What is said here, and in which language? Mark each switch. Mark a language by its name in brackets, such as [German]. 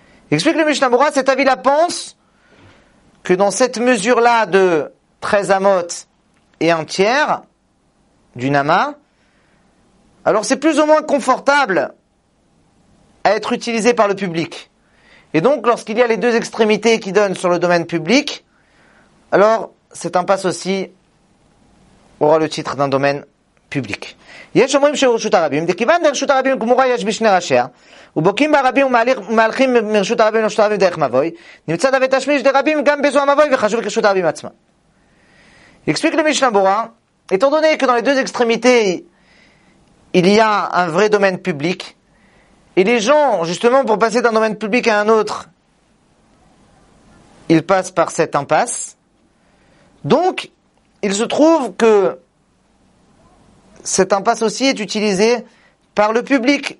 [French] Explique le Mishnah Berurah, cet avis-là pense que dans cette mesure-là de 13 amot et un tiers du nama, alors c'est plus ou moins confortable à être utilisé par le public. Et donc, lorsqu'il y a les deux extrémités qui donnent sur le domaine public, alors cette impasse aussi aura le titre d'un domaine public. [Hebrew] יש אומרים שרשות הרבים, דכיוון דרשות הרבים גמורה יש בשני ראשיה, ובוקים ברבים ומהלכים מרשות הרבים לרשות הרבים דרך מבוי, נמצא דווה תשמיש דרבים גם בזו המבוי וחשוב כרשות הרבים עצמה. [French] Explique le Mishnah Berurah, étant donné que dans les deux extrémités, il y a un vrai domaine public, et les gens, justement, pour passer d'un domaine public à un autre, ils passent par cette impasse, donc, il se trouve que cette impasse aussi est utilisée par le public.